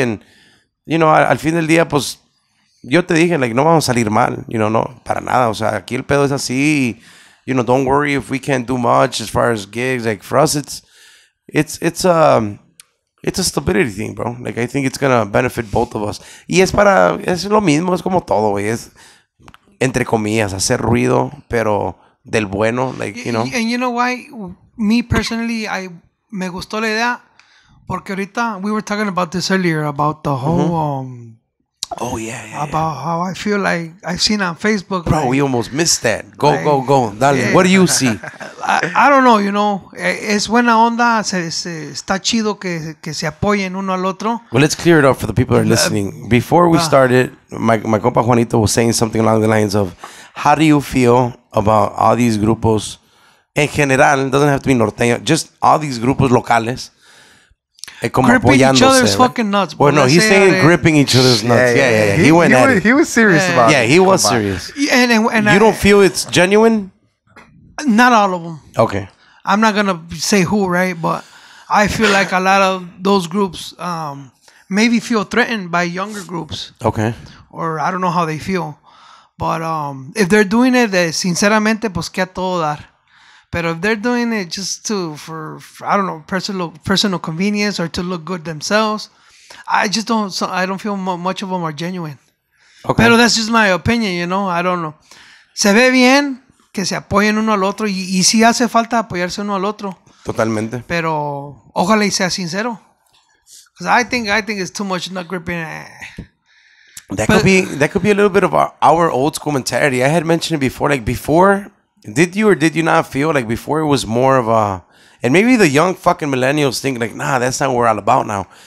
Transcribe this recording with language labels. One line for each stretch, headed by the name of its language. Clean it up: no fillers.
English: And, you know,
Spanish: al fin del día, pues, yo te dije,
English: like,
Spanish: no vamos a salir mal,
English: you know,
Spanish: no, para nada. O sea, aquí el pedo es así.
English: You know, don't worry if we can't do much as far as gigs. Like, for us, it's a stability thing, bro. Like, I think it's going to benefit both of us.
Spanish: Y es para, es lo mismo, es como todo, güey. Es, entre comillas, hacer ruido, pero del bueno,
English: like, you know. And you know why? Me, personally,
Spanish: me gustó la idea, porque ahorita,
English: we were talking about this earlier, about the whole, Oh yeah. About how I feel like I've seen on Facebook. Bro, like, we almost missed that. Go. Dale. Yeah. What do you see? I don't know, you know.
Spanish: Es buena onda. Está chido que se apoyen uno al otro.
English: Well, let's clear it up for the people that are listening. Before we started, my compa Juanito was saying something along the lines of, how do you feel about all these grupos?
Spanish: En general,
English: doesn't have to be norteño, just all these
Spanish: grupos locales.
English: Gripping each other's fucking nuts. Well, no, he's saying gripping each other's nuts. Yeah. He was serious about it. Yeah, he was serious. And you don't feel it's genuine? Not all of them. Okay. I'm not going to say who, right? But I feel like a lot of those groups maybe feel threatened by younger groups. Okay. Or I don't know how they feel. But if they're doing it,
Spanish: sinceramente, pues que a todo dar.
English: But if they're doing it just to, for I don't know, personal convenience or to look good themselves, I don't feel much of them are genuine. Okay. Pero that's just my opinion, you know? I don't know.
Spanish: Se ve bien que se apoyen uno al otro y si hace falta apoyarse uno al otro. Totalmente. Pero ojalá y sea sincero.
English: Because I think it's too much not gripping. That could be a little bit of our old school mentality. I had mentioned it before, like before... Did you or did you not feel like before it was more of a... And maybe the young fucking millennials think like, nah, that's not what we're all about now.